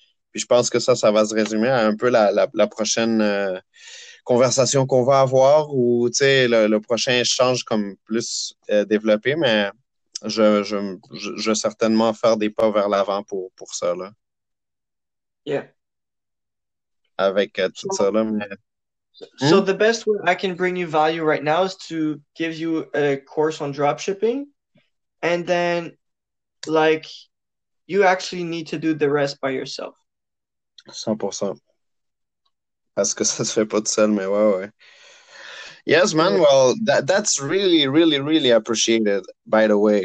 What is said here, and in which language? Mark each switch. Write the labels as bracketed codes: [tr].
[fr] Puis je pense que ça va se résumer à un peu la prochaine conversation qu'on va avoir ou, tu sais, le prochain échange comme plus développé, mais je vais certainement faire des pas vers l'avant pour ça, là. [en] Yeah. [fr] Avec tout [en] So, [fr] ça, là, mais... [en] the best way I can bring you value right now is to give you a course on dropshipping. And then, like, you actually need to do the rest by yourself. 100%. [fr] Parce que ça se fait pas tout seul, mais ouais. [en] Yes, man, Yeah. well, that's really, really, really appreciated, by the way.